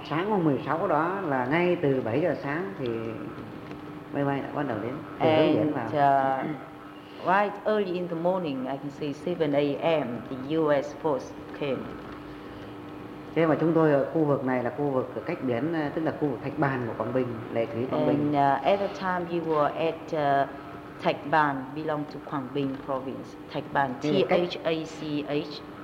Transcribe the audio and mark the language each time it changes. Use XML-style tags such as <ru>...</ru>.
<vi>Sáng hôm 16 đó là ngay từ 7 giờ sáng thì máy bay đã bắt đầu đến.</vi> <en>And right early in the morning, I can say 7 a.m. the US force came.</en> <vi>Thế mà chúng tôi ở khu vực này là khu vực cách biển, tức là khu vực Thạch Bàn của Quảng Bình, lệ thủy Quảng Bình.</vi> <en>And at the time you were at Thạch Bàn, belong to Quảng Bình province, Thạch Bàn, T-H-A-C-H.</en>